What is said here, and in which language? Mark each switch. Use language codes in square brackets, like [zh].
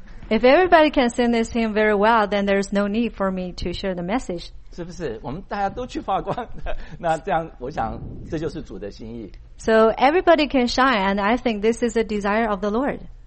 [en] If everybody can sing this hymn very well, then there's no need for me to share the message. [zh] 是不是? 我们大家都去发光, 那这样我想, 这就是主的心意。 [en] So everybody can shine, and I think this is the desire of the Lord.